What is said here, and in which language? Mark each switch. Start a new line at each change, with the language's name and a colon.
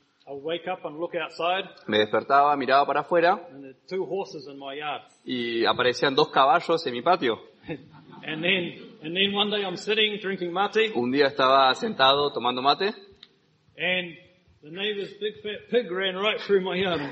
English: I'd wake up and look outside,
Spanish: me despertaba, miraba para afuera.
English: And there were two horses in my yard.
Spanish: Y aparecían dos caballos en mi patio.
English: And then one day I'm sitting, drinking mate,
Spanish: un día estaba sentado tomando mate.
English: And the neighbor's big fat pig ran right through my yard.